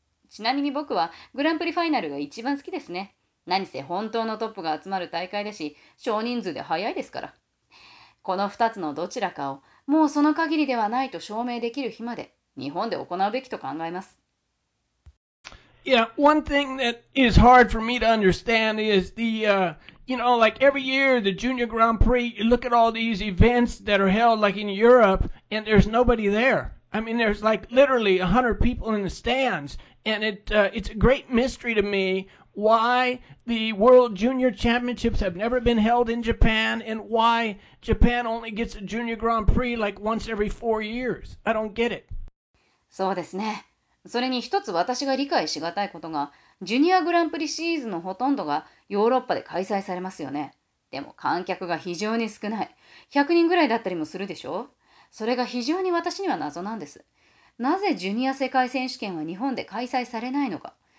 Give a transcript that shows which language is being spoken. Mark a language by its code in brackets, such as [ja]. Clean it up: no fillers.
[ja] ちなみに僕はグランプリファイナルが一番好きですね。何せ本当のトップが集まる大会だし、少人数で早いですから。この2つのどちらかをもうその限りではないと証明できる日まで日本で行うべきと考えます。 [en] Yeah, one thing that is hard for me to understand is the, you know, like every year, the Junior Grand Prix, you look at all these events that are held like in Europe, and there's nobody there. I mean, there's like literally 100 people in the stands, and it's a great mystery to me why the World Junior Championships have never been held in Japan, and why Japan only gets a Junior Grand Prix like once every 4 years. I don't get it. [ja] そうですね。それに一つ私が理解しがたいことが、ジュニアグランプリシリーズのほとんどがヨーロッパで開催されますよね。でも観客が非常に少ない。100人ぐらいだったりもするでしょ？それが非常に私には謎なんです。なぜジュニア世界選手権は日本で開催されないのか。